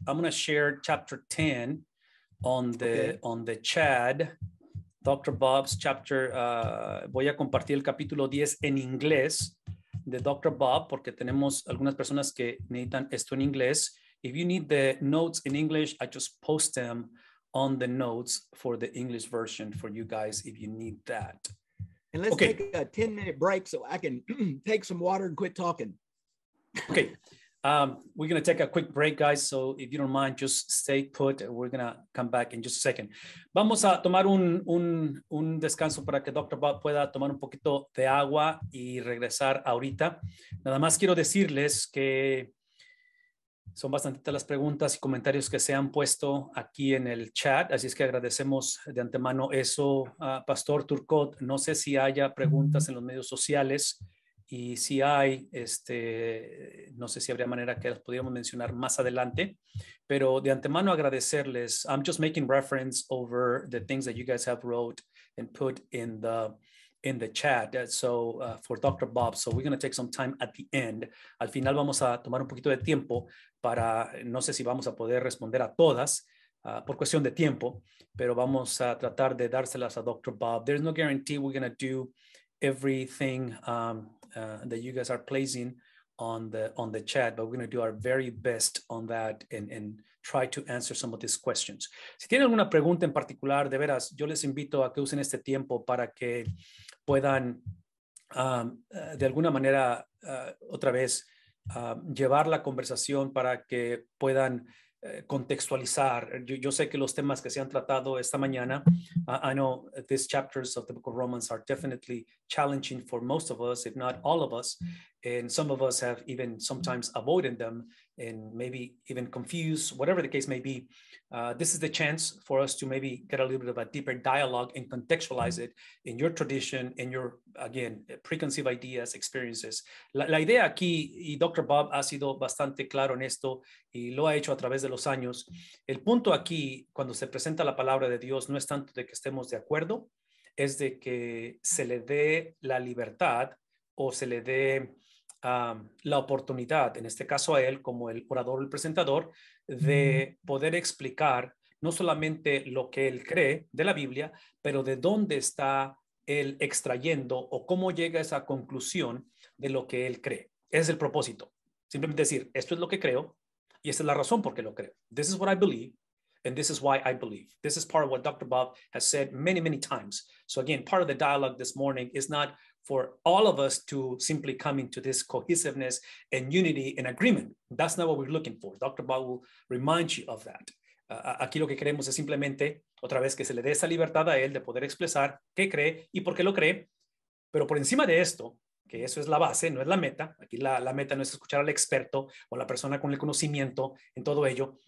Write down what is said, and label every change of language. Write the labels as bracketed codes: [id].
[en] I'm going to share chapter 10 on the on the chat. Dr. Bob's chapter. [es] Voy a compartir el capítulo 10 en inglés de Dr. Bob porque tenemos algunas personas que necesitan esto en inglés. [en] If you need the notes in English, I just post them on the notes for the English version for you guys if you need that. And let's take a 10-minute break so I can take some water and quit talking. Okay. We're going to take a quick break, guys. So if you don't mind, just stay put. We're going to come back in just a second. [es] Vamos a tomar un descanso para que Dr. Bob pueda tomar un poquito de agua y regresar ahorita. Nada más quiero decirles que son bastantitas las preguntas y comentarios que se han puesto aquí en el chat. Así es que agradecemos de antemano eso. Pastor Turcotte, no sé si haya preguntas en los medios sociales. Y si hay, no sé si habría manera que las pudiéramos mencionar más adelante. Pero de antemano agradecerles. [en] I'm just making reference over the things that you guys have wrote and put in the chat. So for Dr. Bob, so we're going to take some time at the end. [es] Al final vamos a tomar un poquito de tiempo para, no sé si vamos a poder responder a todas por cuestión de tiempo, pero vamos a tratar de dárselas a Dr. Bob. [en] There's no guarantee we're going to do everything that you guys are placing on the chat, but we're going to do our very best on that and try to answer some of these questions. [es] Si tienen alguna pregunta en particular, de veras, yo les invito a que usen este tiempo para que puedan de alguna manera otra vez llevar la conversación para que puedan contextualizar. Yo sé que los temas que se han tratado esta mañana, [en] I know these chapters of the Book of Romans are definitely challenging for most of us, if not all of us, and some of us have even sometimes avoided them and maybe even confused, whatever the case may be. This is the chance for us to maybe get a little bit of a deeper dialogue and contextualize it in your tradition, in your, again, preconceived ideas, experiences. [es] La idea aquí, y Dr. Bob ha sido bastante claro en esto, y lo ha hecho a través de los años, el punto aquí, cuando se presenta la palabra de Dios, no es tanto de que estemos de acuerdo, es de que se le dé la libertad o se le dé la oportunidad, en este caso a él como el orador, el presentador, de poder explicar no solamente lo que él cree de la Biblia, pero de dónde está él extrayendo o cómo llega a esa conclusión de lo que él cree. Ese es el propósito. Simplemente decir, esto es lo que creo y esta es la razón por qué lo creo. [en] This is what I believe. And this is why I believe. This is part of what Dr. Bob has said many, many times. So again, part of the dialogue this morning is not for all of us to simply come into this cohesiveness and unity and agreement. That's not what we're looking for. Dr. Bob will remind you of that. [es] Aquí lo que queremos es simplemente, otra vez, que se le dé esa libertad a él de poder expresar qué cree y por qué lo cree. Pero por encima de esto, que eso es la base, no es la meta. Aquí la meta no es escuchar al experto o la persona con el conocimiento en todo ello.